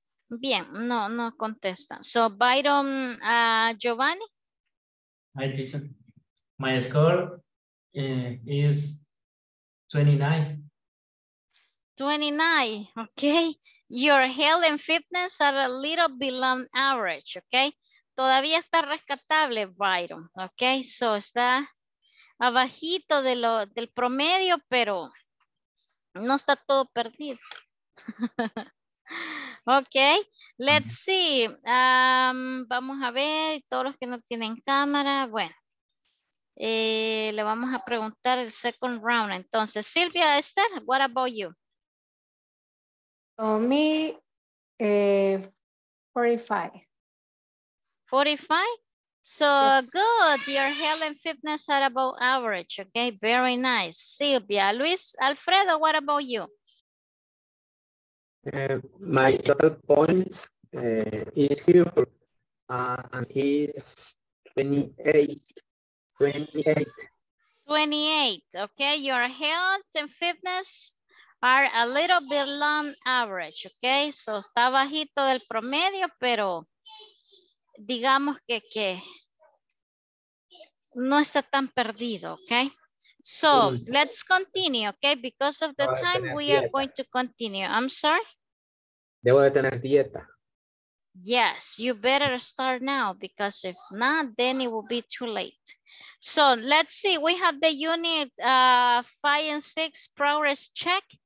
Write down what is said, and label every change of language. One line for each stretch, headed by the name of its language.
Spanish: Bien, no contesta. So, Byron Giovanni.
English: Hi, teacher. My score is 29. 29, okay. Your health and fitness are a little below average, okay.
Spanish: Todavía está rescatable, Byron, okay. So, está abajito de lo, del promedio, pero no está todo perdido.
English: Okay, let's see.
Spanish: Vamos a ver, todos los que no tienen cámara, bueno, le vamos a preguntar el second round.
English: Entonces, Silvia, Esther, what about you? For me, 45. 45? So yes. Good, your health and fitness are about average. Okay, very nice. Silvia, Luis, Alfredo, what about you? My total points is here and he's 28. Okay, your health and fitness are a little below average, okay?
Spanish: So está bajito del promedio, pero digamos que no está tan perdido, okay?
English: So let's continue, okay? Because of the time, we are going to continue. I'm sorry.
Spanish: Debo de tener dieta.
English: Yes, you better start now because if not, then it will be too late. So let's see, we have the unit 5 and 6 progress check.